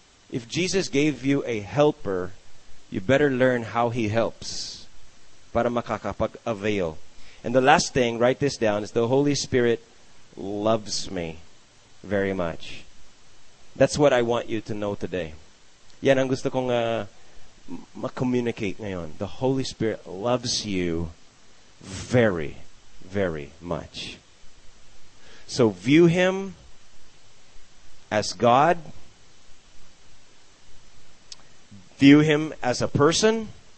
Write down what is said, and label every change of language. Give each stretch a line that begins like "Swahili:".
English: If Jesus gave you a helper, you better learn how he helps
Filipino: para makakapag-avail.
English: And the last thing, write this down, is the Holy Spirit loves me very much. That's what I want you to know today.
Filipino: Yan ang gusto kong ma-communicate ngayon.
English: The Holy Spirit loves you very, very much. So view him as God. View him as a person.